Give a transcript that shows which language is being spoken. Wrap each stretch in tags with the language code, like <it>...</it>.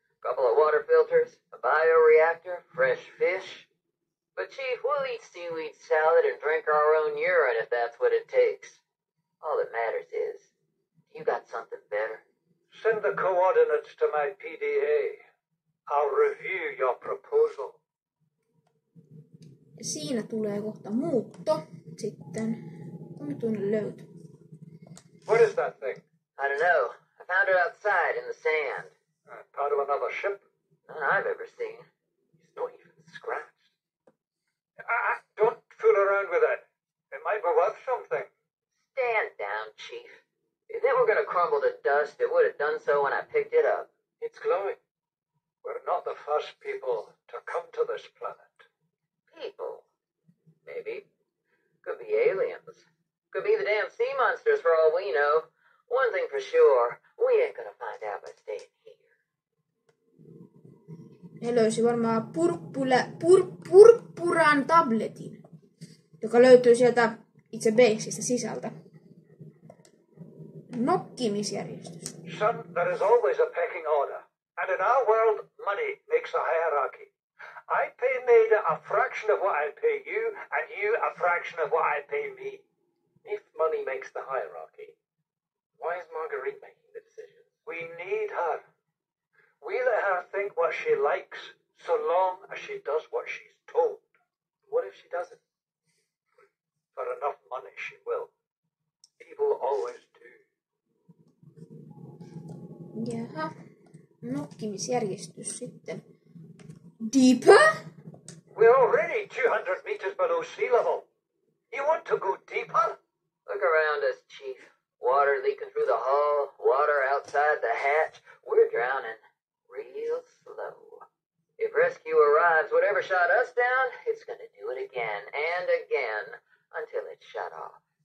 <en>Couple of water filters, a bioreactor, fresh fish. But Chief, we'll eat seaweed salad and drink our own urine if that's what it takes. All that matters is, you got something better. Send the coordinates to my PDA. I'll review your proposal.</en> <fi>Siinä tulee kohta muutto sitten. Muutun löytö.</fi> <en>What is that thing? I don't know. I found it outside in the sand. Part of another ship? None I've ever seen. It's not even scratched. Don't fool around with it. It might be worth something. Stand down, Chief. If it were going to crumble to dust, it would have done so when I picked it up. It's glowing. We're not the first people to come to this planet. People? Maybe. Could be aliens. Could be the damn sea monsters for all we know. One thing for sure, we ain't gonna find out by staying here.</en> <fi>He löysi varmaan purppuran tabletin, joka löytyy sieltä itse basesta sisältä. Nokkimisjärjestys.</fi> <en>Son, there is always a pecking order. And in our world, money makes a hierarchy. I pay Maida a fraction of what I pay you, and you a fraction of what I pay me. If money makes the hierarchy, why is Marguerite making the decision? We need her. We let her think what she likes, so long as she does what she's told. What if she doesn't? For enough money, she will. People always do.</en> <fi>Jaha. Nokkimisjärjestys sitten.</fi> <en>Deeper? We're already 200 meters below sea level. You want to go deeper? Look around us, Chief. Water leaking through the hull, water outside the hatch. We're drowning. Real slow. If rescue arrives, whatever shot us down, it's gonna do it again and again until it's shut off.</en>